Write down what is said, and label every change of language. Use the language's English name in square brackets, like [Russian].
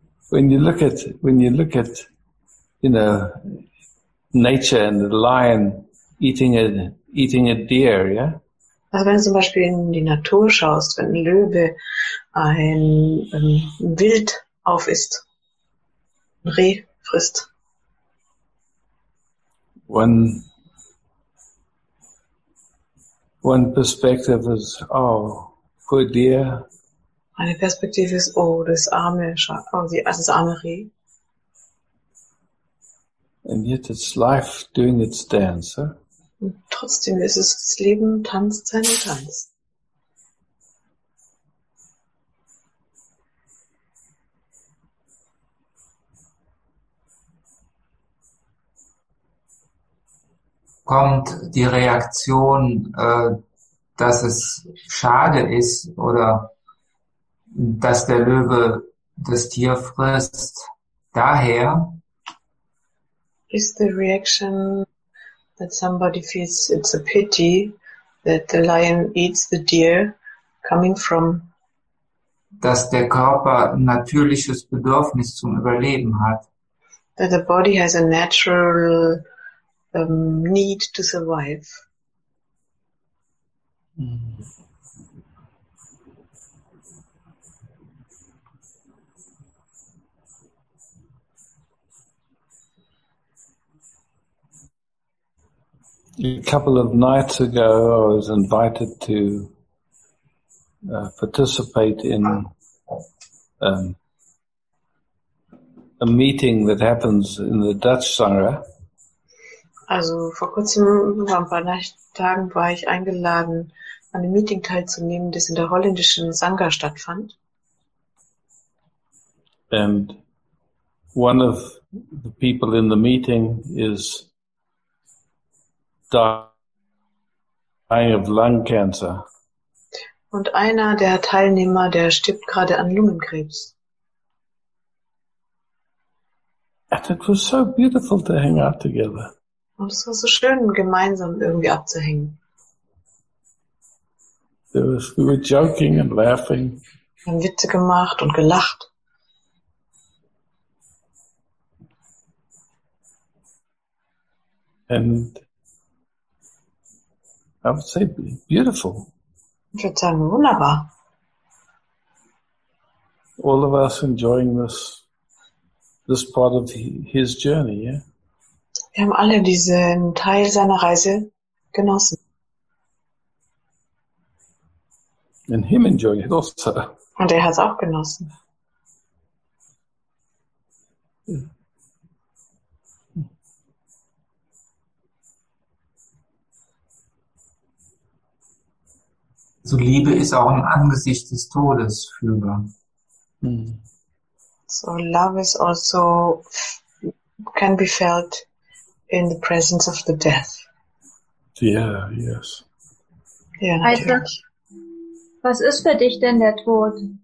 [English] When you look at, you know, nature and the lion eating a deer, yeah. [German] Also wenn du zum Beispiel in die Natur schaust, wenn ein Löwe ein Wild aufisst, ein Reh frisst. [English] One perspective is, oh, poor deer. [German] Eine Perspektive ist, oh, das arme Reh. [English] And yet it's life doing its dance, huh? [German] Und trotzdem ist es das Leben, tanzt seinen Tanz. kommt die Reaktion, dass es schade ist oder dass der Löwe das Tier frisst, daher? [English] Is the reaction that somebody feels it's a pity that the lion eats the deer coming from? [German] Dass der Körper ein natürliches Bedürfnis zum Überleben hat. [English] That the body has a natural need to survive. A couple of nights ago, I was invited to participate in a meeting that happens in the Dutch Sangha. [German] Also vor kurzem, vor ein paar Tagen, war ich eingeladen, an einem Meeting teilzunehmen, das in der holländischen Sangha stattfand. [English] And one of the people in the meeting is dying of lung cancer. [German] Und einer der Teilnehmer, der stirbt gerade an Lungenkrebs. [English] And it was so beautiful to hang out together. [German] Und es war so schön, gemeinsam irgendwie abzuhängen. [English] We were joking and laughing. [German] Wir haben Witze gemacht und gelacht. [English] And I would say beautiful. [German] Ich würde sagen, wunderbar. [English] All of us enjoying this part of his journey, yeah? [German] Wir haben alle diesen Teil seiner Reise genossen. [English] And him enjoying it also. [German] Und er hat es auch genossen. So Liebe ist auch im Angesicht des Todes fühlbar. [English] So love is also can be felt in the presence of the death. Yeah, yes. Yeah, [German] Isaac, was ist für dich denn der Tod?